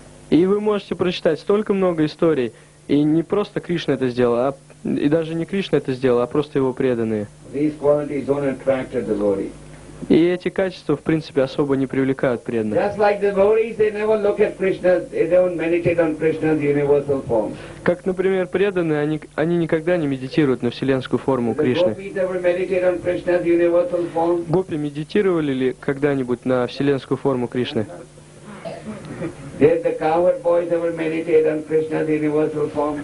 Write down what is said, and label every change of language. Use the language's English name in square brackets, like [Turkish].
[Russian] И вы можете прочитать столько много историй, и не просто Кришна это сделал, а, и даже не Кришна это сделал, а просто его преданные. И эти качества, в принципе, особо не привлекают преданных. [English] Just like devotees, they never look at Krishna, they don't meditate on Krishna's universal form. [Russian] Как, например, преданные, они никогда не медитируют на вселенскую форму Кришны. [English] Gopis never meditate on Krishna's universal form. [Russian] Гопи медитировали ли когда-нибудь на вселенскую форму Кришны? [English] Did the cowherd boys ever meditate on Krishna's universal form?